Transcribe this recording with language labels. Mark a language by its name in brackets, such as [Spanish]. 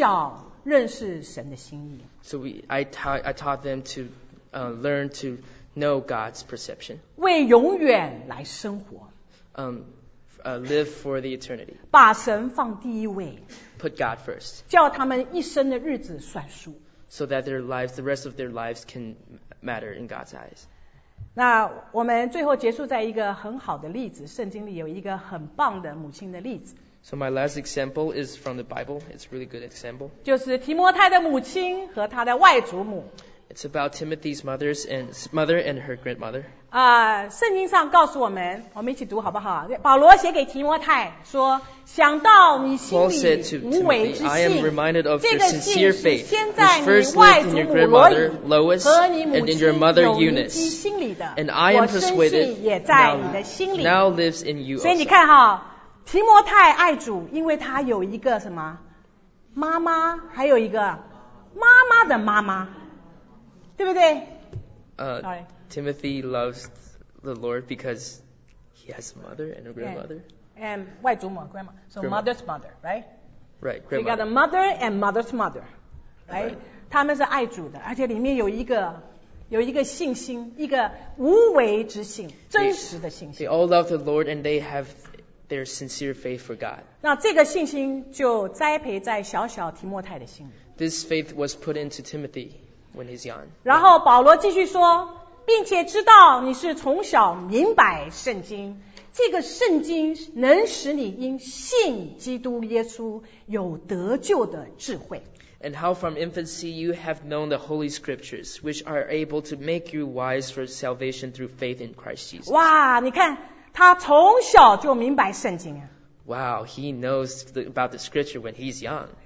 [Chinese] 所以教导他们从小认识神的心意。 [English] So I taught them to learn to know God's perception. [Chinese] 为永远来生活。 [English] Live for the eternity. [Chinese] 把神放第一位。 [English] Put God first. [Chinese] 叫他们一生的日子算数。 [English] So that their lives, the rest of their lives can matter in God's eyes. [Chinese] 那我们最后结束在一个很好的例子, 圣经里有一个很棒的母亲的例子。 [English] So my last example is from the Bible. It's a really good example. [Chinese] 就是提摩太的母亲和他的外祖母。 [English] It's about Timothy's mother and her grandmother. [Chinese] 圣经上告诉我们, 我们一起读好不好? 保罗写给提摩太说, 想到你心里无为之性, [English] I am reminded of your sincere faith, which first lived in your grandmother, Lois, and in your mother, Eunice. And I am persuaded now lives in you also. [Chinese] 所以你看哈, 提摩太爱主, 因为他有一个什么? 妈妈, 还有一个, 妈妈的妈妈。对不对? [English] Timothy loves the Lord because he has a mother and a grandmother. And [Chinese] 外祖母, [English] grandma. So grandma. Mother's mother, right? Right, grandmother. So you got a mother and mother's mother, right? [Chinese] 他们是爱主的, 而且里面有一个信心, 一个无为之信, 真实的信心。 [English] They all love the Lord and they have their sincere faith for God. [Chinese] 那这个信心就栽培在小小提摩太的心里。 [English] This faith was put into Timothy. When he's young. [Chinese] 然后保罗继续说, 并且知道你是从小明白圣经, 这个圣经能使你因信基督耶稣有得救的智慧。 [English] And how from infancy you have known the holy scriptures, which are able to make you wise for salvation through faith in Christ Jesus. [Chinese] 哇, 你看, 他从小就明白圣经。 [English] Wow, he knows about the scripture when he's young.